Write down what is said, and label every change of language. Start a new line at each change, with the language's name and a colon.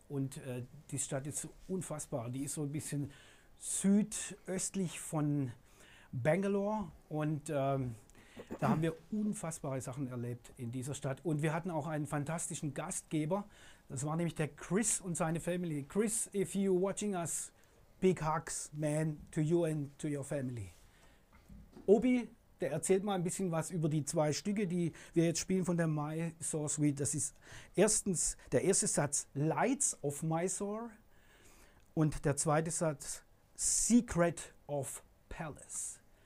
German: Und die Stadt ist unfassbar. Die ist so ein bisschen südöstlich von Bangalore. Und da haben wir unfassbare Sachen erlebt in dieser Stadt. Und wir hatten auch einen fantastischen Gastgeber. Das war nämlich der Chris und seine Family.
English: Chris, if you watching us, big hugs, man, to you and to your family.
German: Obi, der erzählt mal ein bisschen was über die zwei Stücke, die wir jetzt spielen von der Mysore Suite. Das ist erstens der erste Satz, Lights of Mysore. Und der zweite Satz, Secret of Palace.